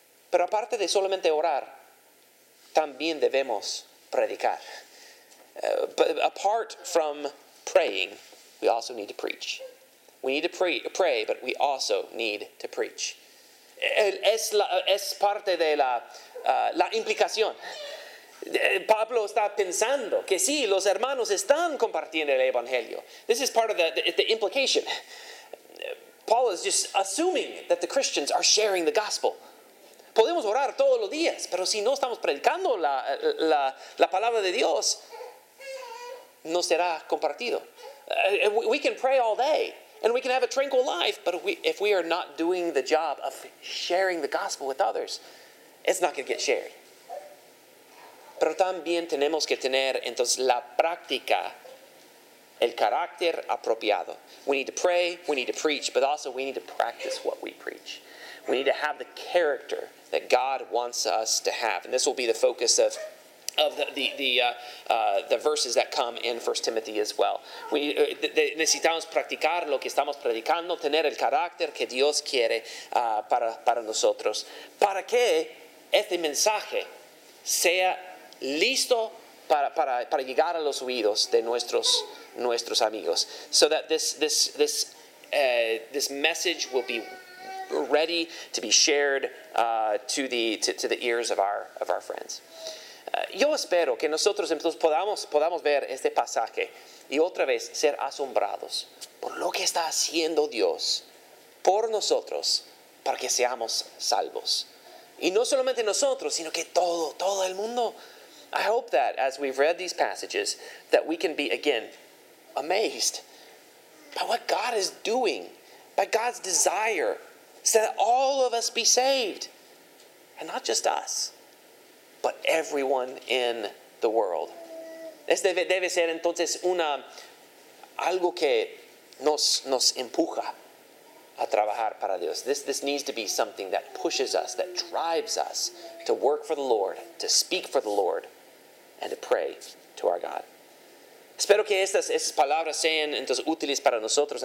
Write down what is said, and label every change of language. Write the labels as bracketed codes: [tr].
[es] Pero aparte de solamente orar, también debemos predicar. [en] But apart from praying, we also need to preach. We need to pray, but we also need to preach. [es] Es parte de la implicación. Pablo está pensando que sí, los hermanos están compartiendo el evangelio. [en] This is part of the implication. Paul is just assuming that the Christians are sharing the gospel. [es] Podemos orar todos los días, pero si no estamos predicando la palabra de Dios, no será compartido. [en] We can pray all day. And we can have a tranquil life, but if we are not doing the job of sharing the gospel with others, it's not going to get shared. [es] Pero también tenemos que tener, entonces, la práctica, el carácter apropiado. [en] We need to pray, we need to preach, but also we need to practice what we preach. We need to have the character that God wants us to have. And this will be the focus of the verses that come in 1 Timothy as well. [es] We necesitamos practicar lo que estamos predicando, tener el carácter que Dios quiere para nosotros, para que este mensaje sea listo para llegar a los oídos de nuestros amigos. [en] So that this message will be ready to be shared to the ears of our friends. [es] Yo espero que nosotros entonces podamos ver este pasaje y otra vez ser asombrados por lo que está haciendo Dios por nosotros para que seamos salvos. Y no solamente nosotros, sino que todo el mundo. [en] I hope that as we've read these passages that we can be again amazed by what God is doing, by God's desire, so that all of us be saved, and not just us, but everyone in the world. [es] Este debe ser entonces algo que nos empuja a trabajar para Dios. [en] This needs to be something that pushes us, that drives us to work for the Lord, to speak for the Lord, and to pray to our God. [es] Espero que estas palabras sean entonces útiles para nosotros.